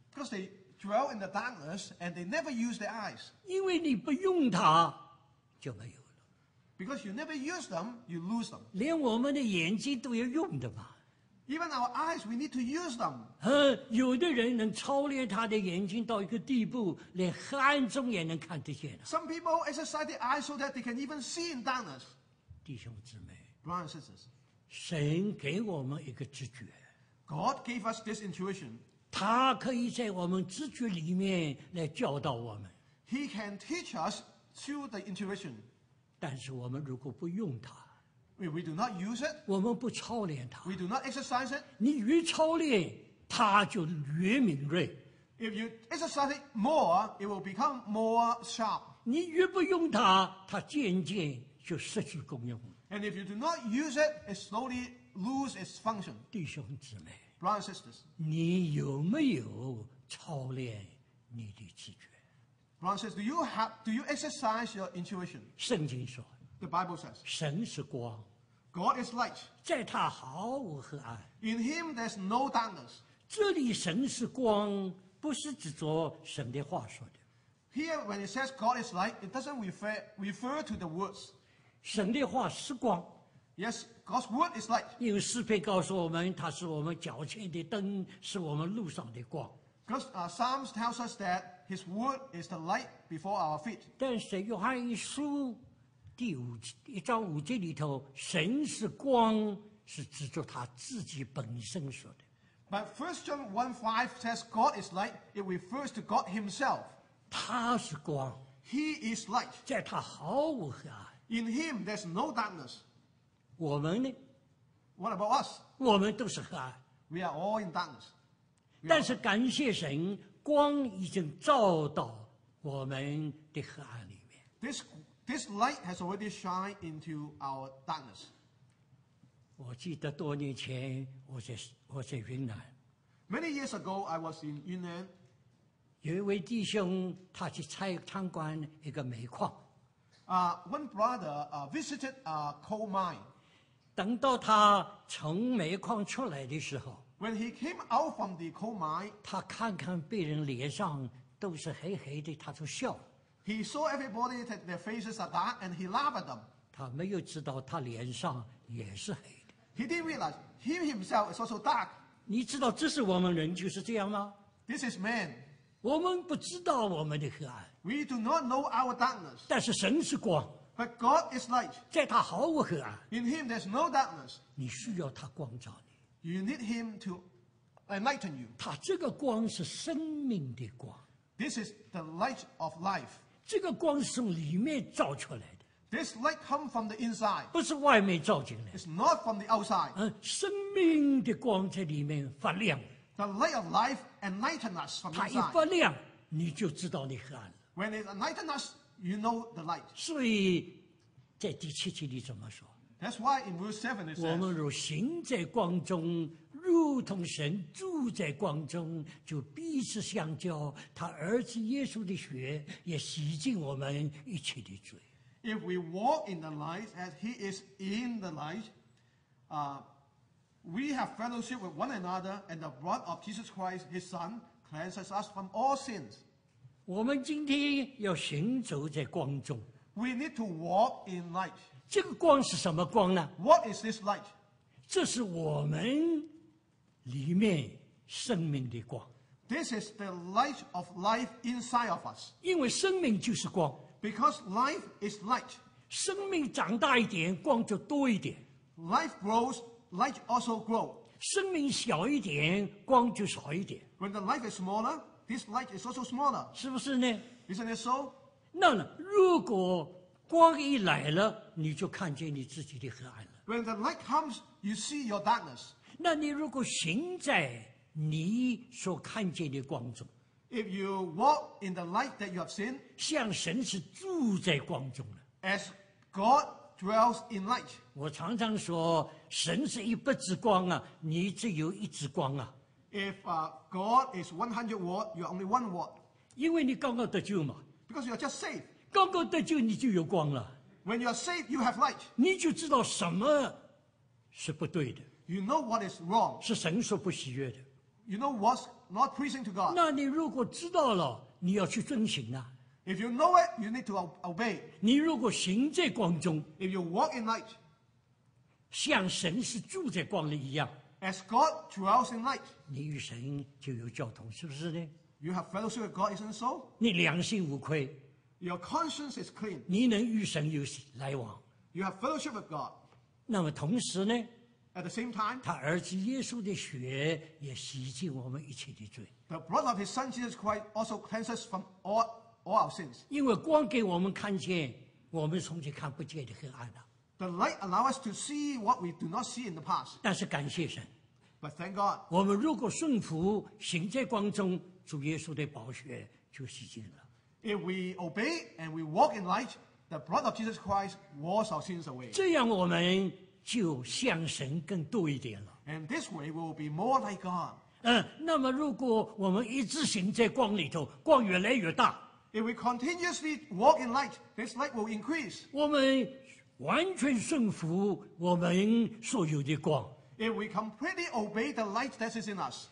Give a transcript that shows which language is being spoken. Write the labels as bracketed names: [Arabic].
[English] because they dwell in the darkness and they never use their eyes. [Chinese] 因为你不用它就没有了, [English] because you never use them, you lose them. [Chinese] 连我们的眼睛都要用的嘛, [English] even our eyes, we need to use them. [Chinese] 有的人能操练他的眼睛到一个地步, 连黑暗中也能看得见, [English] some people exercise the eyes so that they can even see in darkness. [Chinese] 弟兄姊妹, [English] brothers and sisters, [Chinese] 神给我们一个知觉, [English] God gave us this intuition. [Chinese] 他可以在我们知觉里面来教导我们, [English] he can teach us through the intuition. [Chinese] 但是我们如果不用它, [English] we do not use it, [Chinese] 我们不操练它, [English] we do not exercise it, [Chinese] 你越操练, 它就越敏锐, [English] if you exercise it more, it will become more sharp. [Chinese] 你越不用它, 它渐渐就失去功用, [English] and if you do not use it, it slowly loses its function. [Chinese] 弟兄姊妹, [English] Brothers and sisters, [Chinese] 你有没有操练你的直觉？ [English] Brothers and sisters, do you exercise your intuition? [Chinese] 圣经说， [English] The Bible says, [Chinese] 神是光。 [English] God is light. [Chinese] 在他毫无黑暗。 [English] In him there's no darkness. [Chinese] 这里神是光，不是指着神的话说的。 [English] Here, when it says God is light, it doesn't refer to the words. [Chinese] 神的话是光。 [English] Yes, God's word is light. [Chinese] 因为诗篇告诉我们，他是我们脚前的灯，是我们路上的光。 [English] Because Psalms tells us that his word is the light before our feet. [Chinese] 但是约翰一书第五一章五节里头，神是光，是指着他自己本身说的。 [English] But 1 John 1:5 says God is light. It refers to God himself. [Chinese] 他是光。 [English] He is light. [Chinese] 在他毫无黑暗。 [English] In him there's no darkness. [Chinese] 我们呢？ [English] What about us? [Chinese] 我们都是黑暗。 [English] We are all in darkness. [Chinese] 但是感谢神，光已经照到我们的黑暗里面。 [English] This light has already shined into our darkness. [Chinese] 我记得多年前我在云南。 [English] Many years ago, I was in Yunnan. [Chinese] 有一位弟兄，他去参观一个煤矿。 [English] One brother visited a coal mine. [Chinese] 等到他从煤矿出来的时候， [English] When he came out from the coal mine, [Chinese] 他看看被人脸上都是黑黑的，他就笑。 [English] He saw everybody that their faces are dark and he laughed at them. [Chinese] 他没有知道他脸上也是黑的。 [English] He didn't realize he himself is also dark. [Chinese] 你知道这是我们人就是这样吗？ [English] This is man. [Chinese] 我们不知道我们的黑暗。 [English] We do not know our darkness. [Chinese] 但是神是光。 [English] But God is light. [Chinese] 在他毫无黑暗。 [English] In him there's no darkness. [Chinese] 你需要他光照你。 [English] You need him to enlighten you. [Chinese] 他这个光是生命的光。 [English] This is the light of life. [Chinese] 这个光是从里面照出来的。 [English] This light comes from the inside. [Chinese] 不是外面照进来。 [English] It's not from the outside. [Chinese] 生命的光在里面发亮。 [English] The light of life enlightens us from inside. [Chinese] 它一发亮，你就知道你黑暗了。 [English] When it enlightens us, you know the light. [Chinese] 所以，在第七节里怎么说？ [English] That's why in verse 7 it says, [Chinese] 我们若行在光中，如同神住在光中，就彼此相交，他儿子耶稣的血也洗净我们一切的罪。 [English] If we walk in the light as he is in the light, we have fellowship with one another and the blood of Jesus Christ, his son, cleanses us from all sins. [Chinese] 我们今天要行走在光中。 [English] We need to walk in light. [Chinese] 这个光是什么光呢？ [English] What is this light? [Chinese] 这是我们里面生命的光。 [English] This is the light of life inside of us. [Chinese] 因为生命就是光。 [English] Because life is light. [Chinese] 生命长大一点，光就多一点。 [English] Life grows, light also grows. [Chinese] 生命小一点，光就少一点。 [English] When the life is smaller, this light is also smaller. [Chinese] 是不是呢？ [English] Isn't it so? [Chinese] 那如果光一来了，你就看见你自己的黑暗了。 [English] When the light comes, you see your darkness. [Chinese] 那你如果行在你所看见的光中， [English] If you walk in the light that you have seen, [Chinese] 像神是住在光中的， [English] As God dwells in light, [Chinese] 我常常说神是一百之光啊，你只有一之光啊。 [English] If God is 100 watt, you are only 1 watt, [Chinese] 因为你刚刚得救嘛。 [English] Because you are just saved, [Chinese] 刚刚得救你就有光了。 [English] When you are saved, you have light, [Chinese] 你就知道什么是不对的。 [English] You know what is wrong. [Chinese] 是神所不喜悦的。 [English] You know what's not pleasing to God. [Chinese] 那你如果知道了，你要去遵行啊。 [English] If you know it, you need to obey. [Chinese] 你如果行在光中， [English] If you walk in light, [Chinese] 像神是住在光里一样， [English] As God dwells in light, [Chinese] 你与神就有交通，是不是呢？ [English] You have fellowship with God, isn't so? [Chinese] 你良心无愧， [English] Your conscience is clean. [Chinese] 你能与神有来往， [English] You have fellowship with God. [Chinese] 那么同时呢？ [English] At the same time, [Chinese] 他儿子耶稣的血也洗净我们一切的罪。 [English] The blood of his son Jesus Christ also cleanses from all our sins. [Chinese] 因为光给我们看见我们从前看不见的黑暗啊。 [English] The light allows us to see what we do not see in the past. [Chinese] 但是感谢神。 [English] But thank God. [Chinese] 我们如果顺服行在光中，主耶稣的宝血就洗净了。 [English] If we obey and we walk in light, the blood of Jesus Christ washes our sins away. [Chinese] 这样我们就像神更多一点了。 [English] And this way we will be more like God. [Chinese] 那么如果我们一直行在光里头，光越来越大。 [English] If we continuously walk in light, this light will increase. [Chinese] 我们完全顺服我们所有的光。 [English] If we completely obey the light that is in us,